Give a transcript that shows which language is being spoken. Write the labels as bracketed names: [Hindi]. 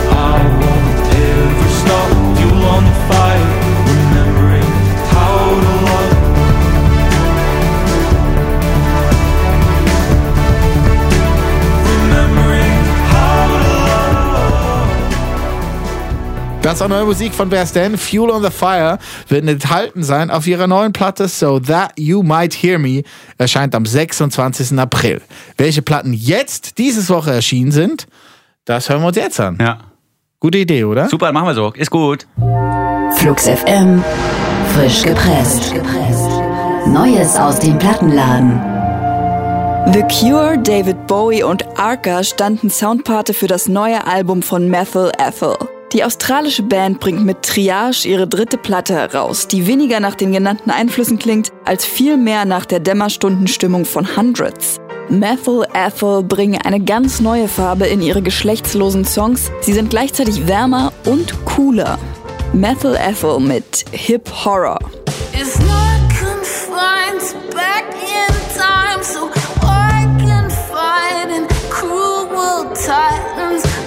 [English] I won't ever stop. Fuel on the fire. Remembering how to love. Remembering how to love. [German] Das war neue Musik von Bear Stan. Fuel on the Fire wird enthalten sein auf ihrer neuen Platte So That You Might Hear Me, erscheint am 26. April. Welche Platten jetzt dieses Woche erschienen sind, das hören wir uns jetzt an. Ja. Gute Idee, oder? Super, machen wir so. Ist gut. Flux FM, frisch gepresst. Neues aus dem Plattenladen. The Cure, David Bowie und Arca standen Soundpate für das neue Album von Methyl Ethyl. Die australische Band bringt mit Triage ihre dritte Platte heraus, die weniger nach den genannten Einflüssen klingt, als vielmehr nach der Dämmerstundenstimmung von Hundreds. Methyl Ethyl bringen eine ganz neue Farbe in ihre geschlechtslosen Songs. Sie sind gleichzeitig wärmer und cooler. Methyl Ethyl mit Hip Horror. [English] It's not confined to back in time, so I can fight in cruel titans.